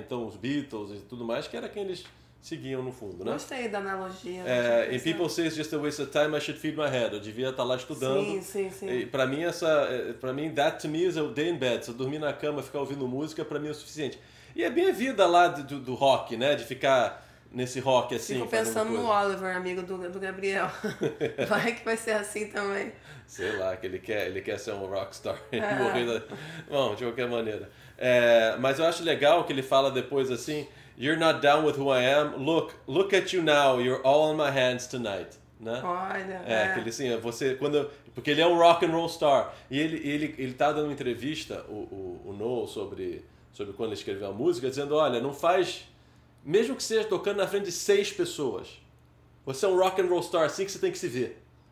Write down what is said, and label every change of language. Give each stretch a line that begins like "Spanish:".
Portuguese: Então, os Beatles e tudo mais, que era quem eles seguiam no fundo, né? Gostei da analogia.
English: And people say it's just a waste of time, I should feed my head.
Portuguese: Eu devia estar lá estudando. Sim, sim, sim. E pra mim,
English: that to me is a day in bed.
Portuguese: Se eu dormir na cama e ficar ouvindo música, pra mim é o suficiente. E é bem a vida lá do rock, né? De ficar nesse rock assim. Fico pensando no Oliver, amigo do Gabriel. Vai que vai ser assim também. Sei lá, que ele quer ser um rockstar. Bom, de qualquer maneira. Mas eu acho legal que ele fala depois assim,
English: you're not down with who I am, look at you now, you're all on my hands tonight.
Portuguese: Né? Olha, que ele assim, porque ele é um rock and roll star. E ele tá dando uma entrevista, o Noel, sobre quando ele escreveu a música, dizendo, olha, não faz, mesmo que seja tocando na frente de 6 pessoas, você é um rock and roll star, assim que você tem que se ver.